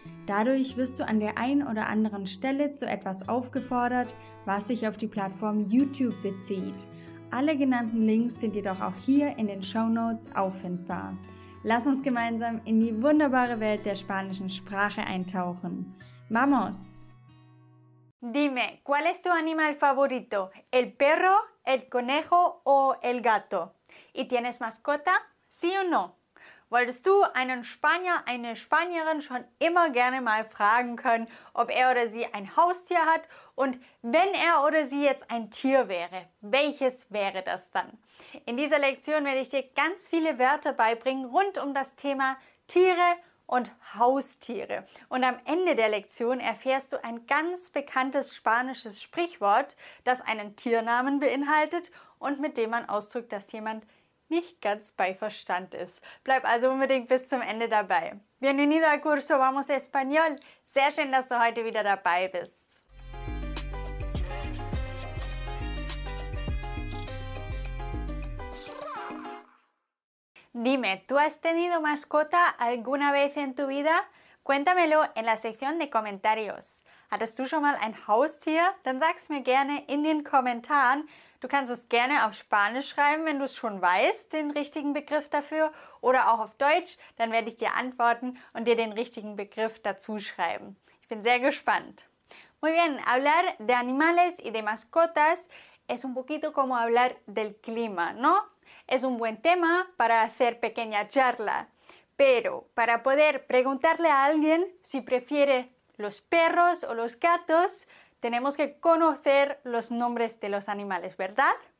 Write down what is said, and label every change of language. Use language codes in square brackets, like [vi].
[de] Dadurch wirst du an der einen oder anderen Stelle zu etwas aufgefordert, was sich auf die Plattform YouTube bezieht. Alle genannten Links sind jedoch auch hier in den Shownotes auffindbar. Lass uns gemeinsam in die wunderbare Welt der spanischen Sprache eintauchen. [es] ¡Vamos! Dime, ¿cuál es tu animal favorito? ¿El perro, el conejo o el gato? ¿Y tienes mascota? ¿Sí o no? [de] Wolltest du einen Spanier, eine Spanierin schon immer gerne mal fragen können, ob er oder sie ein Haustier hat? Und wenn er oder sie jetzt ein Tier wäre, welches wäre das dann? In dieser Lektion werde ich dir ganz viele Wörter beibringen rund um das Thema Tiere und Haustiere. Und am Ende der Lektion erfährst du ein ganz bekanntes spanisches Sprichwort, das einen Tiernamen beinhaltet und mit dem man ausdrückt, dass jemand nicht ganz bei Verstand ist. Bleib also unbedingt bis zum Ende dabei. [es] Bienvenido al curso Vamos Español. [de] Sehr schön, dass du heute wieder dabei bist. [es] Dime, ¿tú has tenido mascota alguna vez en tu vida? Cuéntamelo en la sección de comentarios. [de] ¿Hattest du schon mal ein Haustier? Dann sag's mir gerne in den Kommentaren. Du kannst es gerne auf Spanisch schreiben, wenn du es schon weißt, den richtigen Begriff dafür, oder auch auf Deutsch, dann werde ich dir antworten und dir den richtigen Begriff dazu schreiben. Ich bin sehr gespannt. [es] Muy bien, hablar de animales y de mascotas es un poquito como hablar del clima, ¿no? Es un buen tema para hacer pequeña charla, pero para poder preguntarle a alguien si prefiere los perros o los gatos, tenemos que conocer los nombres de los animales, ¿verdad?